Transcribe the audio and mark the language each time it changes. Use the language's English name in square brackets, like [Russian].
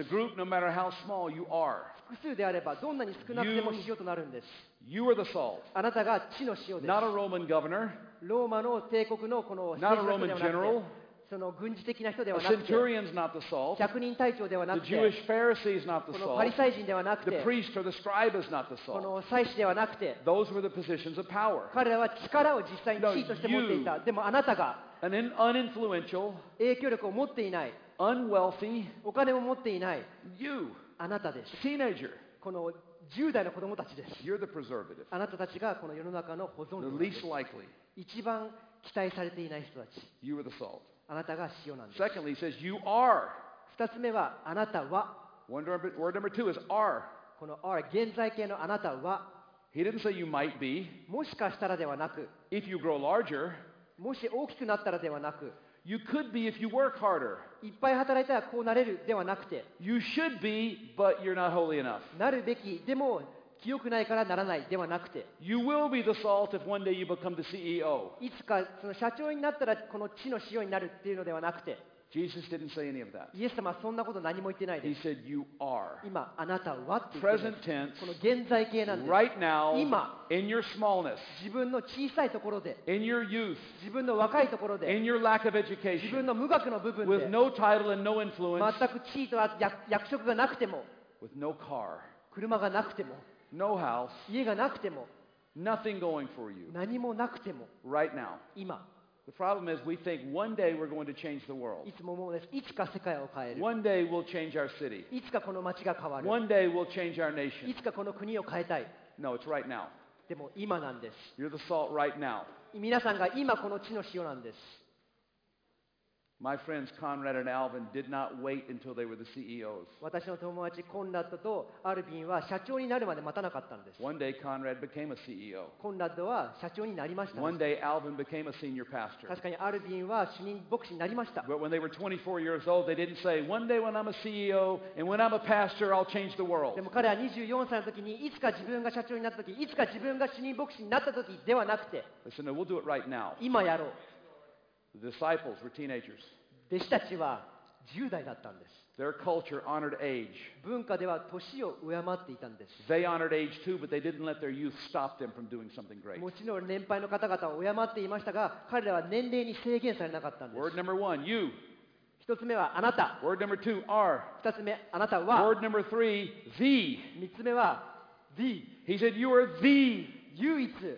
[English] As a group, no matter how small you are, [Japanese] 複数であればどんなに少なくても塩となるんです。 [English] You are the salt. [Japanese] あなたが地の塩です。 [English] Not a Roman governor. [Japanese] ローマの帝国のこの [English] Not a Roman general. [Japanese] その軍事的な人ではなくて。 [English] A centurion's not the salt. [Japanese] 百人隊長ではなくて。 [English] The Jewish Pharisee's not the salt. [Japanese] このパリサイ人ではなくて。 [English] The priest or the scribe is not the salt. [Japanese] この祭司ではなくて。 [English] Those were the positions of power. [Japanese] 彼らは力を実際に地位として持っていた。でもあなたが。 [English] An uninfluential. [Japanese] 影響力を持っていない。 [English] Unwealthy, [Japanese] お金も持っていない。 [English] You, [Japanese] あなたです。 [English] Teenager, [Japanese] この10代の子供たちです。 [English] You're the preservative. [Japanese] あなたたちがこの世の中の保存者です。 [English] The least likely. [Japanese] 一番期待されていない人たち。 [English] You are the salt. [Japanese] あなたが塩なんです。 [English] Secondly, he says, you are. [Japanese] 二つ目は、あなたは。 [English] Word number two is are. [Japanese] この are, 現在形のあなたは。 [English] He didn't say you might be. [Japanese] もしかしたらではなく。 [English] If you grow larger. [Japanese] もし大きくなったらではなく。 [English] You could be if you work harder. [Japanese] いっぱい働いたらこうなれるではなくて。 [English] You should be, but you're not holy enough. [Japanese] なるべき、でも清くないからならないではなくて。 [English] You will be the salt if one day you become the CEO. [Japanese] いつかその社長になったらこの地の塩になるっていうのではなくて。 [English] Jesus didn't say any of that. [Japanese] イエス様はそんなこと何も言ってないです。 [English] He said you are. [Japanese] 今あなたはって。 [English] Present tense. [Japanese] この現在形なんです。 [English] Right now. [Japanese] 今。 [English] In your smallness. [Japanese] 自分の小さいところで。 [English] In your youth. [Japanese] 自分の若いところで。 [English] In your lack of education. [Japanese] 自分の無学の部分で。 [English] With no title and no influence. [Japanese] 全く地位と役職がなくても。 [English] With no car. [Japanese] 車がなくても。 [English] No house. [Japanese] 家がなくても。 [English] Nothing going for you. [Japanese] 何もなくても。 [English] Right now. [Japanese] 今。 [English] The problem is we think one day we're going to change the world. [Japanese] いつも思うんです。いつか世界を変える。 [English] One day we'll change our city. [Japanese] いつかこの街が変わる。 [English] One day we'll change our nation. [Japanese] いつかこの国を変えたい。 [English] No, it's right now. [Japanese] でも今なんです。 [English] You're the salt right now. [Japanese] 皆さんが今この地の塩なんです。 [English] My friends Conrad and Alvin did not wait until they were the CEOs. [Japanese] 私の友達コンラッドとアルビンは社長になるまで待たなかったんです。 [English] One day Conrad became a CEO. [Japanese] コンラッドは社長になりました。 [English] One day Alvin became a senior pastor. [Japanese] 確かにアルビンは主任牧師になりました。 [English] But when they were 24 years old, they didn't say, "One day when I'm a CEO and when I'm a pastor, I'll change the world." [Japanese] でも彼は24歳の時にいつか自分が社長になった時、いつか自分が主任牧師になった時ではなくて、 [English] Listen, we'll do it right now. [Japanese] 今やろう。 [English] The disciples were teenagers. [Japanese] 弟子たちは10代だったんです。 [English] Their culture honored age. [Japanese] 文化では年を敬っていたんです。 [English] They honored age too, but they didn't let their youth stop them from doing something great. [Japanese] もちろん年配の方々を敬っていましたが、彼らは年齢に制限されなかったんです。 [English] Word number one, you. [Japanese] 一つ目はあなた。 [English] Word number two, are. [Japanese] 二つ目、あなたは。 [English] Word number three, the. [Japanese] 三つ目は、the. [English] He said, you are the. [Japanese] 唯一。